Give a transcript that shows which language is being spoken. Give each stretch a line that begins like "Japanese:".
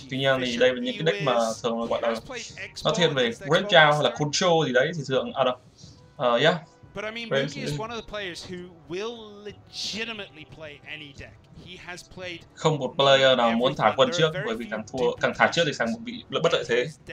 Vietnamese: Tuy nhiên thì đây là những cái deck mà thường gọi là nó thiên về Grave Jail hay là Control gì đấy thì thường
English: But I mean, Muki is one of the players who will legitimately play any deck. He has played.
Vietnamese: Không một player nào muốn thả quân trước, bởi vì càng thua, càng thả trước thì càng bị bất lợi thế.